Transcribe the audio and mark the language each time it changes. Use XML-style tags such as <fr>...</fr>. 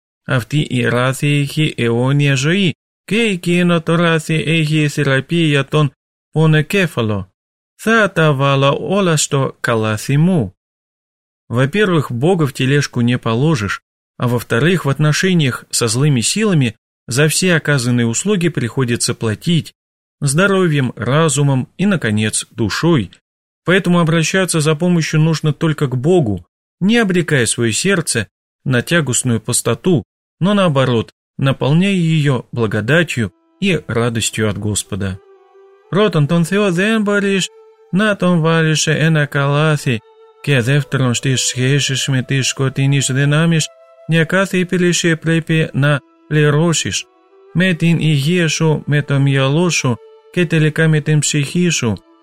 <el>Αυτή η ράθη έχει αιώνια ζωή και εκείνο το ράθη έχει θεραπεία για τον πονοκέφαλο. Θα τα βάλω όλα στο καλάθι μου.</el> <ru>Во-первых, Бога в тележку не положишь, а во-вторых, в отношениях со злыми силами за все оказанные услуги приходится платить здоровьем, разумом и, наконец, душой. Поэтому обращаться за помощью нужно только к Богу, не обрекая свое сердце на тягостную пустоту, но наоборот, наполняя ее благодатью и радостью от Господа.</ru> <el>Πρώτον, τον Θεό δεν μπορείς να τον βάλεις σε ένα καλάθι, και δεύτερον, στις σχέσεις με τις σκοτεινές δυνάμεις, για κάθε υπηρεσία πρέπει να πληρώσεις. Με την υγεία σου, με το μυαλό σου και τελικά με την ψυχή σου.</el>